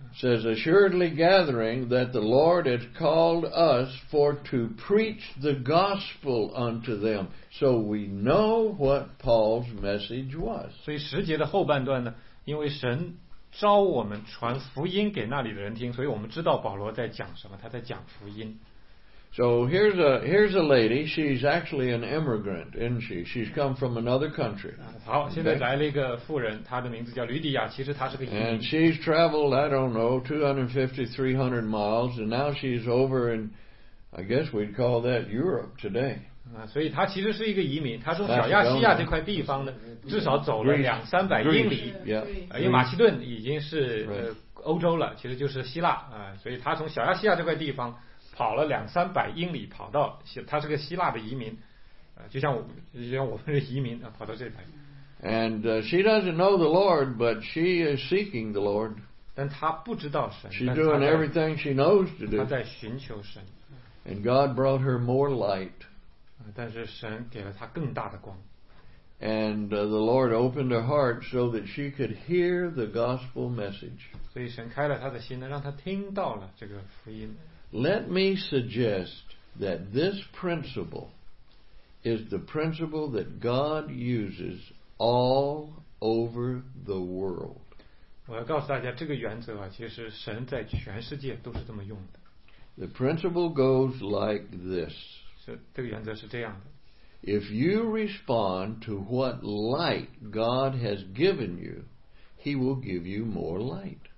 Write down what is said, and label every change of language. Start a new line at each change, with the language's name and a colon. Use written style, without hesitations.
English: says assuredly gathering that the Lord has called us for to preach the gospel unto them, so we know what Paul's message was.
Chinese: 所以十节的后半段呢，因为神召我们传福音给那里的人听，所以我们知道保罗在讲什么，他在讲福音。
English: So here's a lady. She's actually an immigrant, isn't she? She's come from another country.
Chinese: 好，现在来了一个妇人，她的名字叫吕迪亚。其实她是个移民。
English: And she's traveled, I don't know, 250-300 miles, and now she's over in, I guess we'd call that Europe today.
Chinese: 所以她其实是一个移民，她从小亚细亚这块地方呢，至少走了200-300英里。
English: Yeah.
Chinese: 因为马其顿已经是欧洲了，其实就是希腊所以她从小亚细亚这块地方。跑了200-300英里，跑到他是个希腊的移民，就像我们是移民跑到这边。
English: And she doesn't know the Lord, but she is seeking the Lord.
Chinese: 但她不知道神。
English: She's doing everything she knows to do.
Chinese: 她在寻求神。
English: And God brought her more light.
Chinese: 但是神给了她更大的光。
English: And the Lord opened her heart so that she could hear the gospel message.
Chinese: 所以神开了她的心呢，让她听到了这个福音。
English: Let me suggest that this principle is the principle that God uses all over the world.
Chinese: 我要告诉大家，这个原则啊，其实神在全世界都是这么用的。
English: The principle goes like this.
Chinese: 这个原则是这样的。
English: If you respond to what light God has given you, He will give you more light.